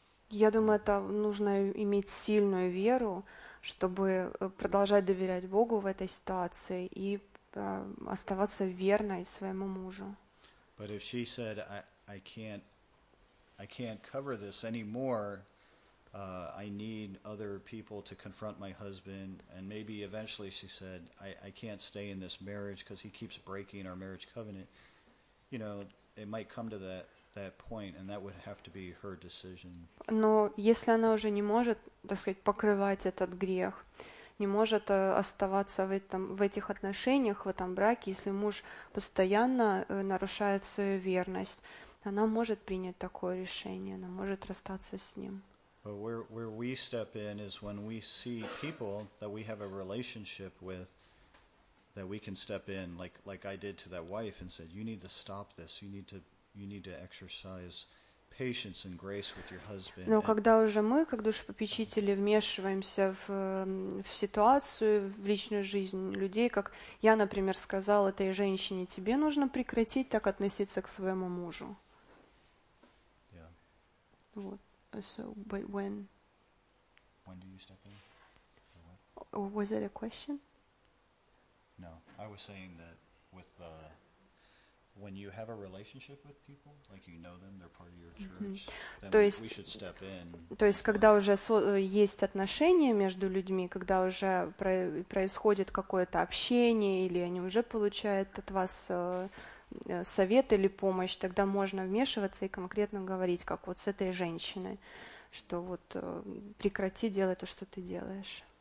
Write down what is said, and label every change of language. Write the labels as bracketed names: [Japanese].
[Russian] Я думаю, это нужно иметь сильную веру, чтобы продолжать доверять Богу в этой ситуации и оставаться верной своему мужу. [English] But if she said, I can't cover this anymore, I need other people to confront my husband, and maybe eventually she said, I can't stay in this marriage because he keeps breaking our marriage covenant, you know, it might come to that point, and that would have to be her decision. [Russian] Но если она уже не может, так сказать, покрывать этот грех, не может оставаться в этих отношениях, в этом браке, если муж постоянно нарушает свою верность, она может принять такое решение, она может расстаться с ним. [English] But where we step in is when we see people that we have a relationship with, that we can step in like I did to that wife and said, you need to stop this, you need to exercise patience and grace with your husband. [Russian] Но когда уже мы, как душепопечители, вмешиваемся в ситуацию, в личную жизнь людей, как я, например, сказал этой женщине, тебе нужно прекратить так относиться к своему мужу. [English] Yeah. [Russian] Вот. [English] So, but when? When do you step in? Was it a question? No, I was saying that with the when you have a relationship with people, like you know them, they're part of your church, mm-hmm. then we should step in. [Russian] То есть, когда уже есть отношения между людьми, когда уже происходит какое-то общение, или они уже получают от вас совет или помощь, тогда можно вмешиваться и конкретно говорить, как вот с этой женщиной, что вот прекрати делать то, что ты делаешь.